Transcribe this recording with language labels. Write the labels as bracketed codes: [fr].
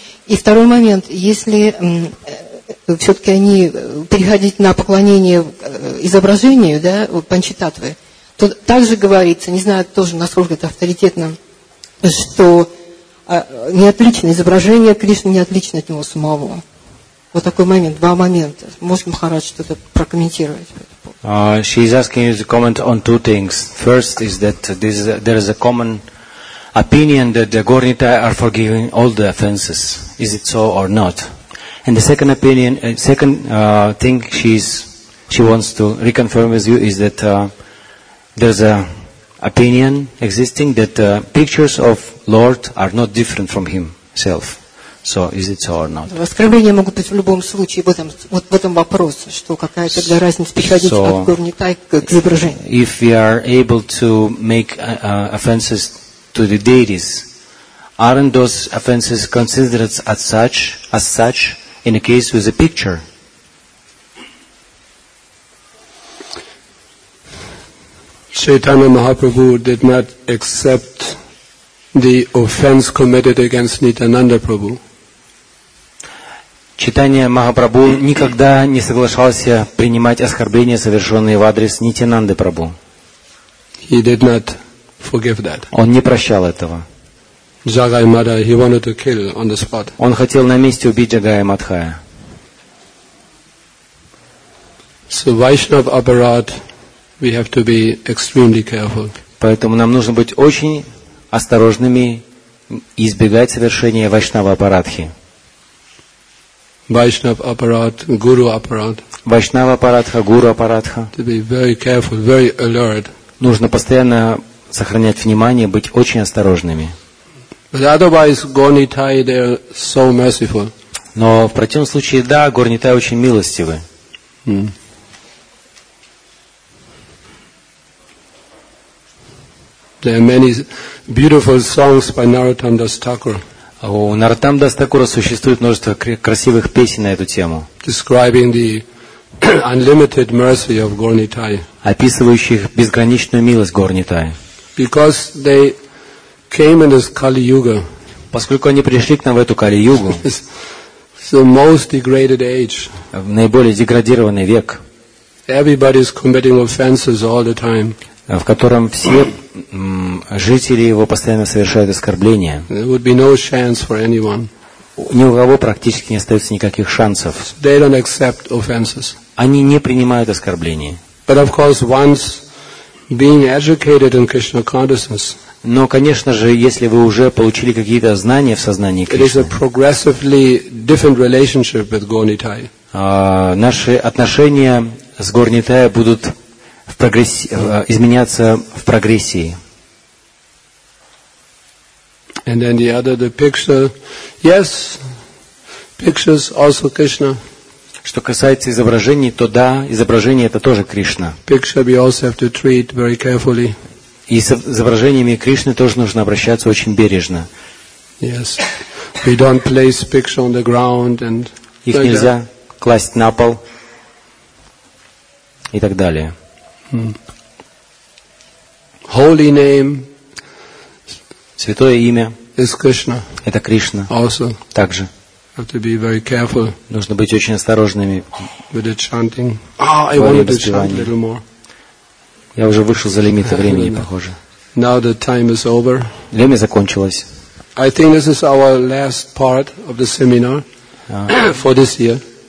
[ru] И второй момент, если все-таки они переходить на поклонение изображению, да, панчитатвы, то также говорится, не знаю тоже, насколько это авторитетно, что не отлично изображение Кришны, не отлично от него самого. Вот такой момент, два момента. Может Махарадж что-то прокомментировать? [en] She is asking you to comment on two things. First is that there is a common opinion that the Gaur Nitai are forgiving all the offenses. Is it so or not? And the second opinion, thing she wants to reconfirm with you is that there's a opinion existing that pictures of Lord are not different from himself. So is it so or not? [ru] Оскорбления могут быть в любом случае в этом, вот в этом вопросе, что какая тогда разница приходить от Гуру Нитай к изображению. [en] If we are able to make offenses to the deities, aren't those offenses considered as such in a case with a picture? Chaitanya Mahaprabhu did not accept the offense committed against Nityananda Prabhu. [ru] Chaitanya Mahaprabhu никогда не соглашался принимать оскорбления, совершенные в адрес Нитянанды Прабху. [en] He did not forgive that. [ru] Он не прощал этого. [en] Jagai Mata, he wanted to kill on the spot. [ru] Он хотел на месте убить Джагая Матхая. [en] So Vaishnav Aparad, we have to be extremely careful. [ru] Поэтому нам нужно быть очень осторожными и избегать совершения Вайшнава Апарадхи. [en] Vaishnav Aparad, Guru Aparad. Vaishnava Aparadha, Guru Aparadha. To be very careful, very alert. [ru] Нужно постоянно сохранять внимание, быть очень осторожными. [en] But otherwise, Gaur Nitai, they are so merciful. [ru] Но в противном случае, да, Гаур Нитай очень милостивы. [en] There are many beautiful songs by Narottam Das Thakur. [ru] У Нарттама Дас Такура существует множество красивых песен на эту тему, [en] describing the unlimited mercy of Gaur Nitai. [ru] Описывающих безграничную милость Гаур Нитай. [en] Because they came in this Kali Yuga. [ru] Поскольку они пришли к нам в эту Кали Югу. [en] The most degraded age. [ru] В наиболее деградированный век. [en] Everybody is committing offenses all the time. [ru] В котором все жители его постоянно совершают оскорбления. [en] There would be no chance for anyone. [ru] Ни у кого практически не остается никаких шансов. [en] They don't accept offenses. [ru] Они не принимают оскорблений. [en] But of course, once being educated in Krishna consciousness. [ru] Но, конечно же, если вы уже получили какие-то знания в сознании Кришны. [en] It is a progressively different relationship with Gaur Nitai. [ru] Наши отношения с Гаур Нитай будут изменяться в прогрессии. [en] And then the other, the picture, yes, pictures also Krishna. [ru] Что касается изображений, то да, изображение это тоже Кришна. [en] Picture we also have to treat very carefully. [ru] И с изображениями Кришны тоже нужно обращаться очень бережно. [en] Yes, we don't place picture on the ground and. [ru] Их нельзя класть на пол и так далее. [en] Holy name, [ru] святое имя, [en] is Krishna. [ru] Это Кришна. [en] Also, [ru] также. [en] Have to be very careful. [ru] Нужно быть очень осторожными. [en] With the chanting. I wanted to chant a little more. [ru] Я уже вышел за лимиты времени, похоже. [en] Now the time is over. [ru] Время закончилось. [en] I think this is our last part of the seminar for this year.